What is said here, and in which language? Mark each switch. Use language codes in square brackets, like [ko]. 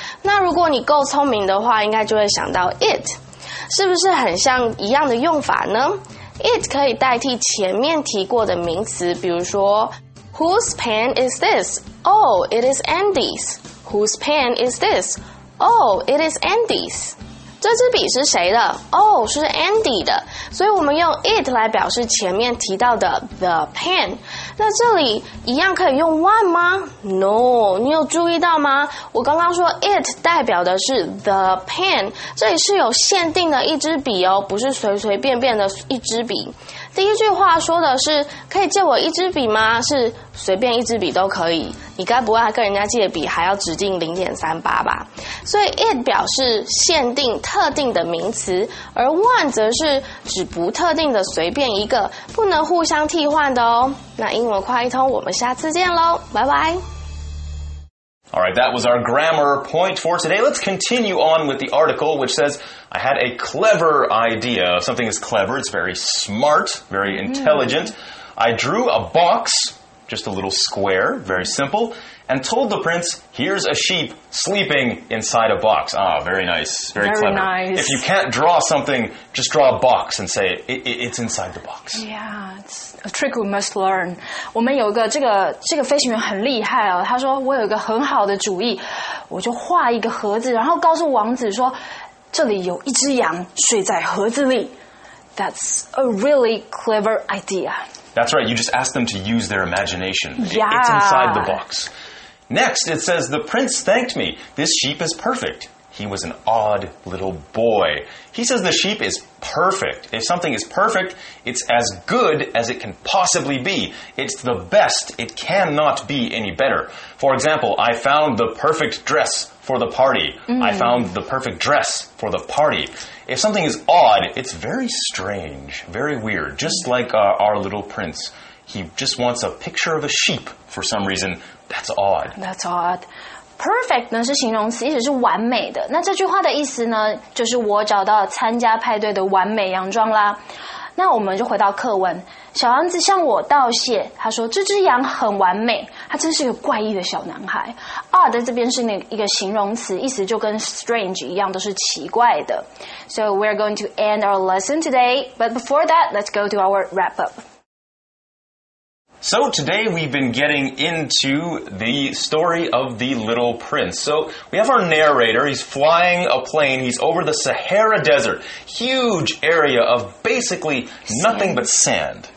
[zh] 那如果你够聪明的话，应该就会想到 it， 是不是很像一样的用法呢？ It 可以代替前面提过的名词，比如说 [en] Whose pen is this? Oh, it is Andy's. Whose pen is this? Oh, it is Andy's. [zh] 这支笔是谁的？ Oh, 是 Andy 的。所以我们用 it 来表示前面提到的 the pen。那这里一样可以用 one 吗？No， 你有注意到吗？我刚刚说 it 代表的是 the pen， 这里是有限定的一支笔哦，不是随随便便的一支笔。第一句话说的是可以借我一支笔吗？是随便一支笔都可以，你该不会还跟人家借笔还要指定 0.38 吧？所以 it 表示限定特定的名词，而 one 则是指不特定的随便一个，不能互相替换的哦。那英文快译通我们下次见咯，拜拜。 [en] Alright, that was our grammar point for today. Let's continue on with the article, which says, I had a clever idea. Something is clever. It's very smart, very intelligent. I drew a box, just a little square, very simple, and told the prince, here's a sheep sleeping inside a box. Ah, very nice. Very clever. Very nice. If you can't draw something, just draw a box and say, it's inside the box. Yeah, it's a trick we must learn. [zh] 我们有一个这个飞行员很厉害哦，他说我有一个很好的主意，我就画一个盒子，然后告诉王子说这里有一只羊睡在盒子里。 [en] That's a really clever idea. That's right, you just ask them to use their imagination. Yeah. It's inside the box. Next, it says, the prince thanked me. This sheep is perfect. He was an odd little boy. He says the sheep is perfect. If something is perfect, it's as good as it can possibly be. It's the best. It cannot be any better. For example, I found the perfect dress for the party. I found the perfect dress for the party. If something is odd, it's very strange, very weird. Just like our little prince. He just wants a picture of a sheep for some reason. That's odd. That's odd. [zh] Perfect 呢是形容词，意思是完美的。那这句话的意思呢，就是我找到参加派对的完美洋装啦。那我们就回到课文。小王子向我道谢，他说这只羊很完美，他真是个怪异的小男孩。 odd 在这边是一个形容词，意思就跟 strange 一样，都是奇怪的。 [en] So we're going to end our lesson today, but before that, let's go to our wrap up. So today we've been getting into the story of the little prince. So we have our narrator, he's flying a plane, he's over the Sahara Desert, huge area of basically nothing but sand.